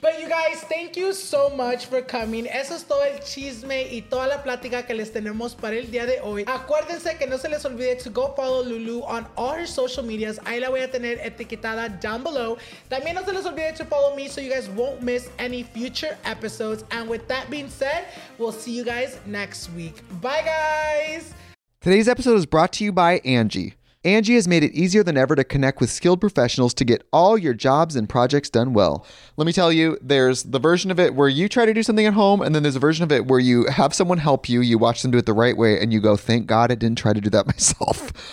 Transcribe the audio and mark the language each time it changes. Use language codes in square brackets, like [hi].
[en] But you guys, thank you so much for coming. [es] Eso es todo el chisme y toda la plática que les tenemos para el día de hoy. Acuérdense que no se les olvide [en] to go follow Lulu on all her social medias. [es] Ahí la voy a tener etiquetada [en] down below. [es] También no se les olvide [en] to follow me so you guys won't miss any future episodes. And with that being said, we'll see you guys next week. Bye, guys. Today's episode is brought to you by Angie. Angie has made it easier than ever to connect with skilled professionals to get all your jobs and projects done well. Let me tell you, there's the version of it where you try to do something at home, and then there's a version of it where you have someone help you, you watch them do it the right way, and you go, thank God I didn't try to do that myself.